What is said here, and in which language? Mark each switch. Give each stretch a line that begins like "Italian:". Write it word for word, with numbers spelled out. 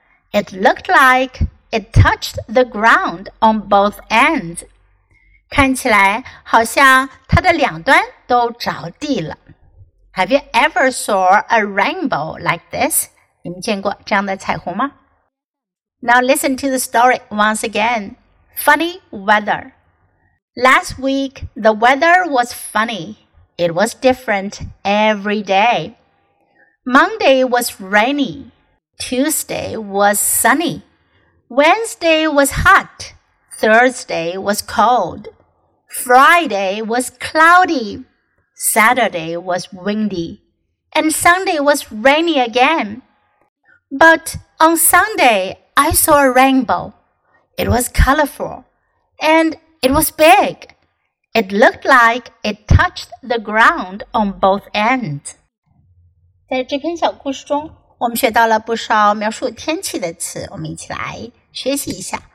English: It looked like it touched the ground on both ends.
Chinese: 看起来好像它的两端都着地了。
English: Have you ever saw a rainbow like this?
Chinese: 你们见过这样的彩虹吗?
English: Now listen to the story once again. Funny weather. Last week, the weather was funny. It was different every day. Monday was rainy. Tuesday was sunny. Wednesday was hot. Thursday was cold. Friday was cloudy. Saturday was windy, and Sunday was rainy again. But on Sunday, I saw a rainbow. It was colorful, and it was big. It looked like it touched the ground on both ends.
Chinese: 在这篇小故事中，我们学到了不少描述天气的词，我们一起来学习一下。